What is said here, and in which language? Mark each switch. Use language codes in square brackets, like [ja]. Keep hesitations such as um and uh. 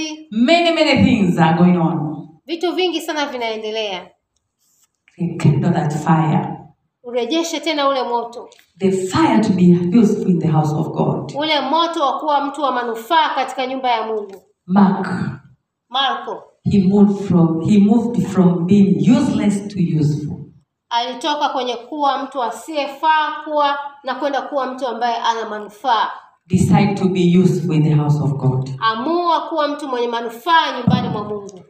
[en] Many many things are going on. [sw] Vitu vingi sana vinaendelea. [en] Kindle that fire. [sw] urejeshe tena ule moto [en] the fire to be useful in the house of god [sw] ule moto wa kuwa mtu wa manufaa katika nyumba ya mungu mark marko [en] he moved from he moved from being useless to useful [sw] alitoka kwenye kuwa mtu asiyefaa kuwa na kwenda kuwa mtu ambaye ana manufaa [en] decide to be useful in the house of god [sw] amua kuwa mtu mwenye manufaa nyumbani mwa mungu